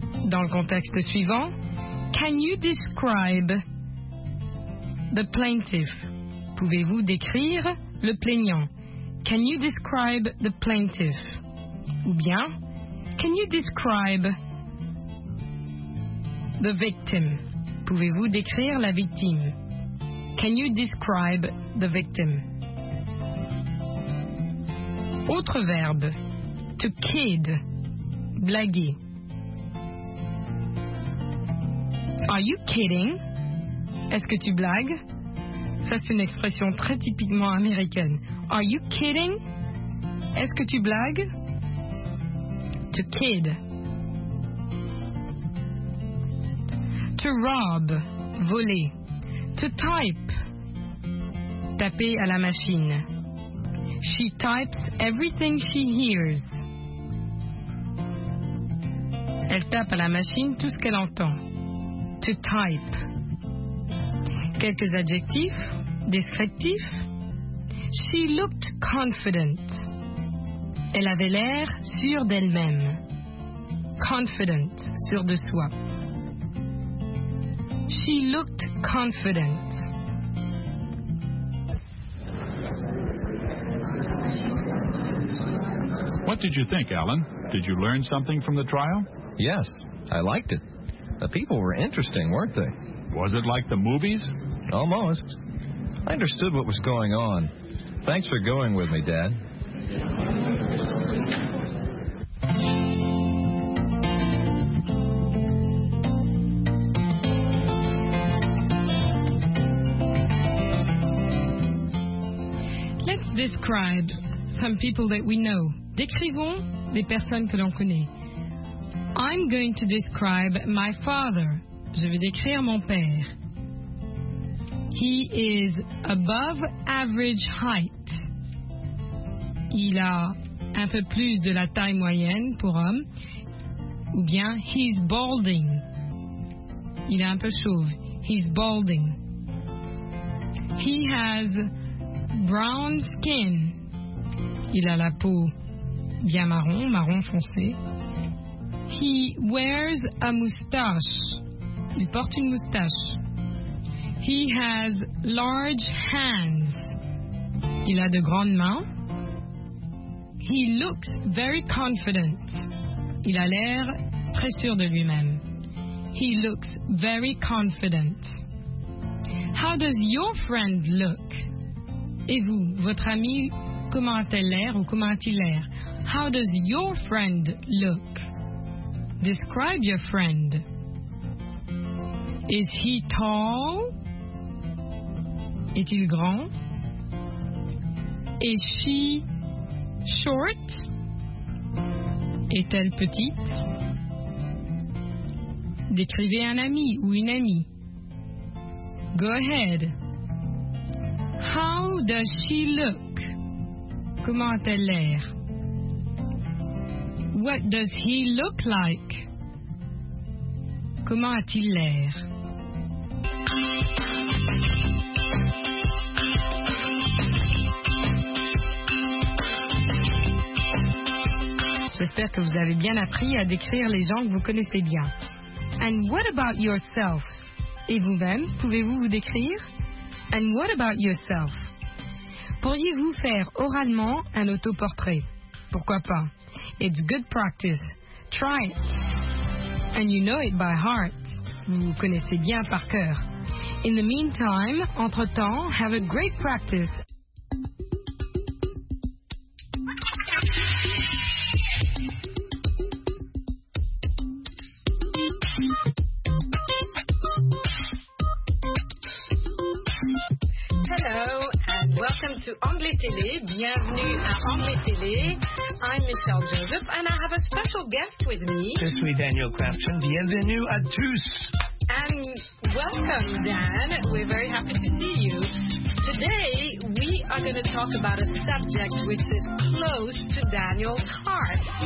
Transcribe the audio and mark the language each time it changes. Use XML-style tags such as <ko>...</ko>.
<fr>Dans le contexte suivant,</fr> <en>can you describe the plaintiff?</en> <fr>Pouvez-vous décrire le plaignant?</fr> <en>Can you describe the plaintiff?</en> <fr>Ou bien,</fr> <en>can you describe the victim?</en> <fr>Pouvez-vous décrire la victime?</fr> <en>Can you describe the victim?</en> <fr>Autre verbe,</fr> <en>to kid,</en> <fr>blaguer.</fr> <en>Are you kidding?</en> <fr>Est-ce que tu blagues? Ça, c'est une expression très typiquement américaine.</fr> <en>Are you kidding?</en> <fr>Est-ce que tu blagues?</fr> <en>To kid. To rob,</en> <fr>voler.</fr> <en>To type,</en> <fr>taper à la machine.</fr> <en>She types everything she hears.</en> <fr>Elle tape à la machine tout ce qu'elle entend.</fr> <en>To type.</en> <fr>Quelques adjectifs, descriptifs.</fr> <en>She looked confident.</en> <fr>Elle avait l'air sûre d'elle-même. Confident, sûre de soi.</fr> <en>She looked confident. What did you think, Alan? Did you learn something from the trial? Yes, I liked it. The people were interesting, weren't they? Was it like the movies? Almost. I understood what was going on. Thanks for going with me, Dad. Describe some people that we know.</en> <fr>Décrivons les personnes que l'on connaît.</fr> <en>I'm going to describe my father.</en> <fr>Je vais décrire mon père.</fr> <en>He is above average height.</en> <fr>Il a un peu plus de la taille moyenne pour homme. Ou bien,</fr> <en>he's balding.</en> <fr>Il est un peu chauve.</fr> <en>He's balding. He has brown skin.</en> <fr>Il a la peau bien marron, marron foncé.</fr> <en>He wears a moustache.</en> <fr>Il porte une moustache.</fr> <en>He has large hands.</en> <fr>Il a de grandes mains.</fr> <en>He looks very confident.</en> <fr>Il a l'air très sûr de lui-même.</fr> <en>He looks very confident. How does your friend look?</en> <fr>Et vous, votre ami, comment a-t-elle l'air ou comment a-t-il l'air?</fr> <en>How does your friend look? Describe your friend. Is he tall?</en> <fr>Est-il grand?</fr> <en>Is she short?</en> <fr>Est-elle petite? Décrivez un ami ou une amie.</fr> <en>Go ahead. How does she look?</en> <fr>Comment a-t-elle l'air?</fr> <en>What does he look like?</en> <fr>Comment a-t-il l'air? J'espère que vous avez bien appris à décrire les gens que vous connaissez bien.</fr> <en>And what about yourself?</en> <fr>Et vous-même, pouvez-vous vous décrire?</fr> <en>And what about yourself?</en> <fr>Pourriez-vous faire oralement un autoportrait? Pourquoi pas?</fr> <en>It's good practice. Try it. And you know it by heart.</en> <fr>Vous connaissez bien par cœur.</fr> <en>In the meantime,</en> <fr>entre-temps,</fr> <en>have a great practice. Hello and welcome to Anglais Télé.</en> <fr>Bienvenue à Anglais Télé.</fr> <en>I'm Michelle Joseph and I have a special guest with me.</en> <fr>Je suis Daniel Crafton. Bienvenue à tous.</fr> <en>And welcome, Dan. We're very happy to see you. Today, we are going to talk about a subject which is close to Daniel's heart.</en>